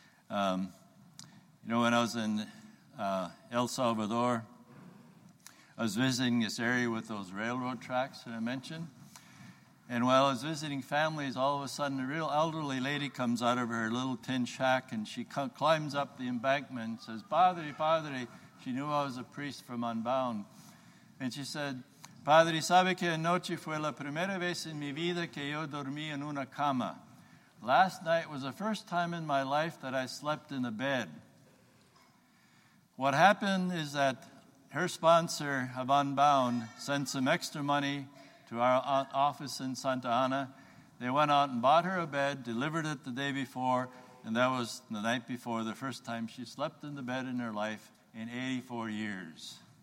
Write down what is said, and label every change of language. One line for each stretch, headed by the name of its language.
English: You know, when I was in El Salvador, I was visiting this area with those railroad tracks that I mentioned. And while I was visiting families, all of a sudden a real elderly lady comes out of her little tin shack and she climbs up the embankment and says, "Padre, Padre," she knew I was a priest from Unbound. And she said,
Spanish: "Padre, sabe que anoche fue la primera vez en mi vida que yo dormí en una cama.
English: Last night was the first time in my life that I slept in a bed." What happened is that her sponsor of Unbound sent some extra money to our office in Santa Ana. They went out and bought her a bed, delivered it the day before, and that was the night before, the first time she slept in the bed in her life in 84 years.